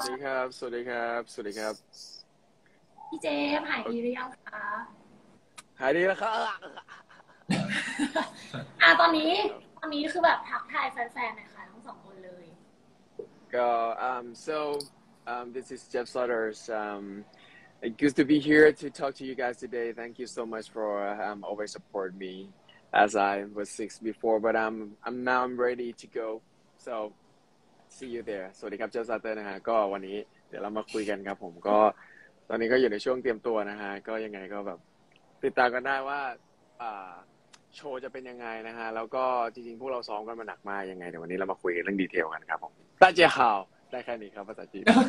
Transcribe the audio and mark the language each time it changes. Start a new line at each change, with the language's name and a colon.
Thai: สวัสดีครับสวัสดีครับสวัสดีครับ พี่เจมหายดีหรือยังคะ หายดีแล้วครับ ตอนนี้คือแบบทักทายแฟนๆนะคะทั้งสองคนเลย
English: ก็this is Jeff Sutters. Good to be here to talk to you guys today. Thank you so much for always support me as I was six before, but I'm now ready to go. So see you there.
Thai: สวัสดีครับ Jeff Sutters นะฮะก็วันนี้เดี๋ยวเรามาคุยกันครับผมก็ตอนนี้ก็อยู่ในช่วงเตรียมตัวนะฮะก็ยังไงก็แบบติดตามกันได้ว่าโชว์จะเป็นยังไงนะฮะแล้วก็จริงๆพวกเราซ้อมกันมาหนักมากยังไงเดี๋ยววันนี้เรามาคุยกันเรื่องดีเทลกันครับผมตาเจฮาวได้แค่นี้ครับภาษาจีน